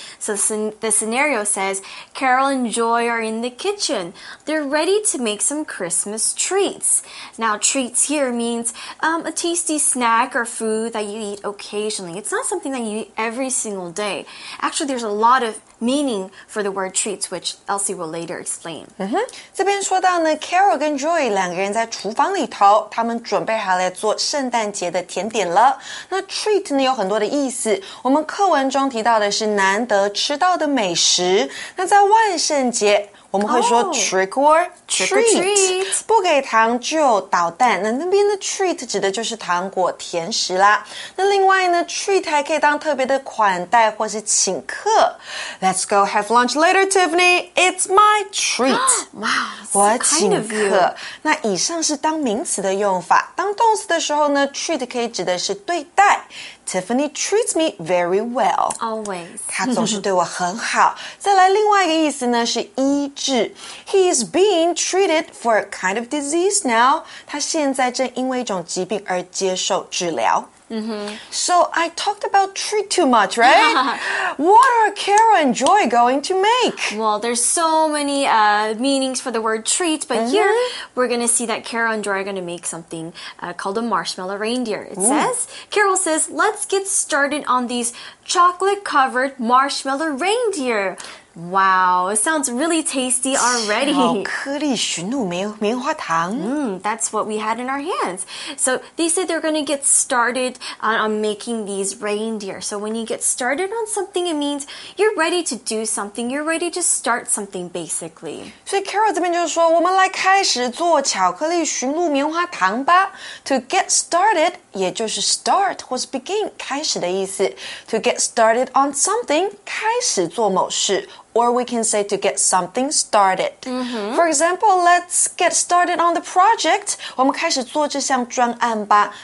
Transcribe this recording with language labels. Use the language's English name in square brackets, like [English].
[English] So the scenario says, Carol and Joy are in the kitchen. They're ready to make some Christmas treats. Now, treats here means a tasty snack or food that you eat occasionally. It's not something that you eat every single day. Actually, there's a lot of meaning for the word treats, which Elsie will later explain. [Chinese] 这边说到呢 ,Carol 跟 Joy 两个人在厨房里头，他们准备好来做圣诞节的甜点了。那 treat 呢有很多的意思，我们课文中提到的是难得吃到的美食。那在万圣节我们会说 [English] trick or treat, [Chinese] 不给糖就捣蛋。那那边的 treat 指的就是糖果甜食啦。那另外呢 treat 还可以当特别的款待或是请客。 [English] Let's go have lunch later, Tiffany. It's my treat. Wow, [Chinese] 我请客。那以上是当名词的用法。当动词的时候呢 treat 可以指的是对待。 [English] Tiffany treats me very well. Always. [Chinese] 她总是对我很好。再来另外一个意思呢是医治。 [English] He is being treated for a kind of disease now. [Chinese] 他现在正因为一种疾病而接受治疗。 [English] So I talked about treat too much, right? What are Carol and Joy going to make? Well, there's so many meanings for the word treat, but here we're going to see that Carol and Joy are going to make something called a marshmallow reindeer. Carol says, let's get started on these chocolate-covered marshmallow reindeer. Wow, it sounds really tasty already. [Chinese] 巧克力驯鹿棉花糖。 [English] That's what we had in our hands. So they said they're going to get started on making these reindeer. So when you get started on something, it means you're ready to do something. You're ready to start something, basically. [Chinese] 所以 Carol 这边就说，我们来开始做巧克力驯鹿棉花糖吧。 [English] To get started, [Chinese] 也就是 start 或是 begin, 开始的意思。 [English] To get started on something, [Chinese] 开始做某事。 [English] Or we can say to get something started. For example, let's get started on the project. [Chinese] 我们开始做这项专案吧。